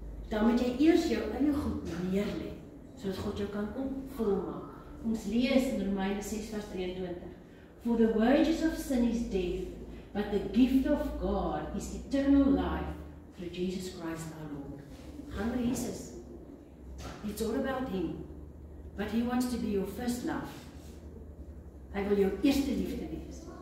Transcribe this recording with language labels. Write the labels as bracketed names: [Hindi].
[Afrikaans] Dan moet jy eers jou eie goed neerlê, sodat God jou kan volmaak. Ons lees in Romeine 6 vers 23. [English] For the wages of sin is death, but the gift of God is eternal life through Jesus Christ our Lord. [Afrikaans] Gaan by Jesus. [English] It's all about Him. But He wants to be your first love. [Afrikaans] Hy wil jou eerste liefde wees.